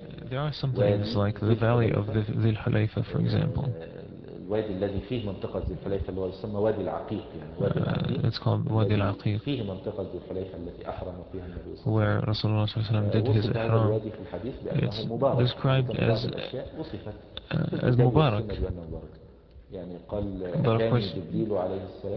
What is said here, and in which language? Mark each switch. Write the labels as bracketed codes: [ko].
[en] There are some things like the valley of the Dhil Hulayfa, for example. [ar] الوادي الذي فيه منطقة ذي الحليفة اللي هو يسمى وادي العقيق يعني. [en] It's called وادي العقيق. [ar] فيه منطقة ذي الحليفة التي أحرم فيها النبي صلى الله عليه وسلم. [en] Where [ar] رسول الله صلى الله عليه وسلم [en] did his إحرام. It's described as مبارك. [ar] يعني قال أتاني جبريل عليه السلام.